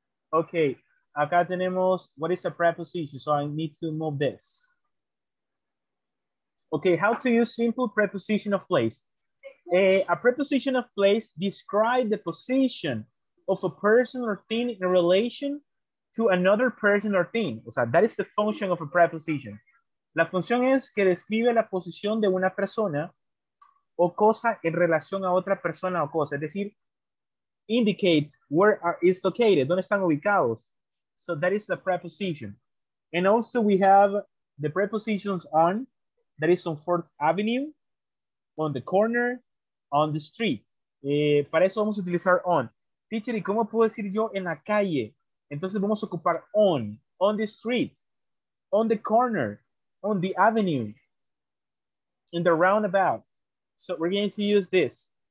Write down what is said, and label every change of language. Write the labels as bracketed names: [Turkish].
[English] Okay, [Spanish] acá tenemos, [English] what is a preposition? So I need to move this. Okay, how to use simple preposition of place. A preposition of place describes the position of a person or thing in relation to another person or thing. [Spanish] O sea, [English] that is the function of a preposition. [Spanish] La función es que describe la posición de una persona o cosa en relación a otra persona o cosa. Es decir, [English] indicates where it's located, [Spanish] donde están ubicados. [English] So that is the preposition. And also we have the prepositions on, that is on 4th Avenue, on the corner, on the street. [Spanish] Para eso vamos a utilizar on. Teacher, ¿y cómo puedo decir yo en la calle? Entonces vamos a ocupar [English] on the street, on the corner, on the avenue, in the roundabout. So we're going to use this.